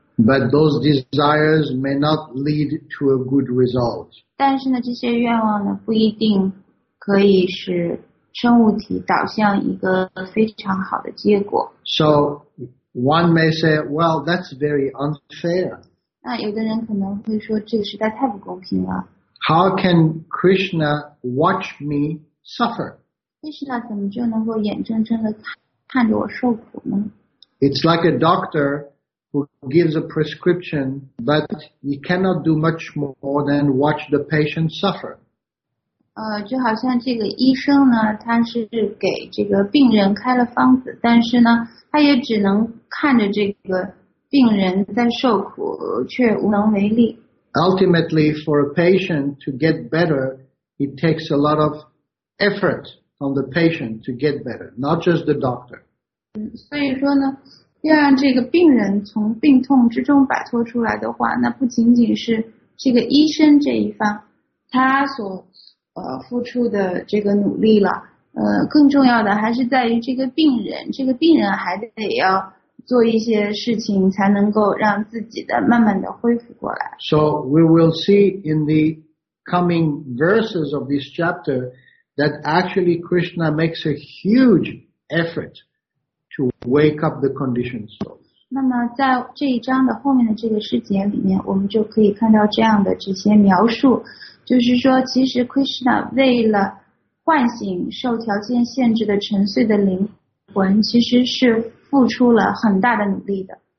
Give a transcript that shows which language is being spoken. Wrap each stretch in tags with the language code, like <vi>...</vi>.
<en>But those desires may not lead to a good result.</en> <zh>但是呢，这些愿望呢不一定可以是生物体导向一个非常好的结果。</zh> <en>So one may say, well, that's very unfair.</en> <zh>那有的人可能会说，这个实在太不公平了。</zh> <en>How can Krishna watch me suffer?</en> <zh>Krishna 怎么就能够眼睁睁地看着我受苦呢？</zh> <en>It's like a doctor who gives a prescription, but he cannot do much more than watch the patient suffer.</en> <zh>就好像这个医生呢，他是给这个病人开了方子，但是呢，他也只能看着这个病人在受苦，却无能为力。</zh> <en>Ultimately, for a patient to get better, it takes a lot of effort on the patient to get better, not just the doctor.</en> <zh>所以说呢，要让这个病人从病痛之中摆脱出来的话，那不仅仅是这个医生这一方，他所付出的这个努力了，更重要的还是在于这个病人，这个病人还得要做一些事情，才能够让自己的慢慢的恢复过来。</zh> <en>So we will see in the coming verses of this chapter that actually Krishna makes a huge effort to wake up the conditioned souls.</en> <zh>那么在这一章的后面的这个诗节里面，我们就可以看到这样的这些描述。就是说其实 Krishna 为了唤醒受条件限制的沉睡的灵魂，其实是付出了很大的努力的。</zh>